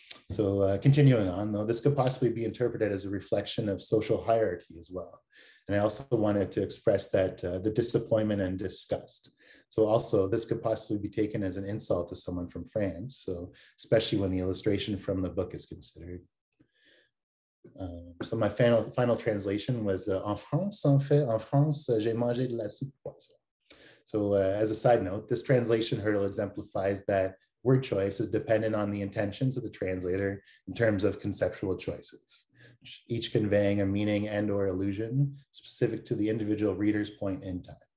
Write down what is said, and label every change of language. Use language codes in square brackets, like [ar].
[en] So continuing on though, this could possibly be interpreted as a reflection of social hierarchy as well. And I also wanted to express that the disappointment and disgust. So also this could possibly be taken as an insult to someone from France. So especially when the illustration from the book is considered. So my final translation was [fr] en France, en fait, en France, j'ai mangé de la soupe poisson. [en] So as a side note, this translation hurdle exemplifies that word choice is dependent on the intentions of the translator in terms of conceptual choices, each conveying a meaning and or allusion specific to the individual reader's point in time.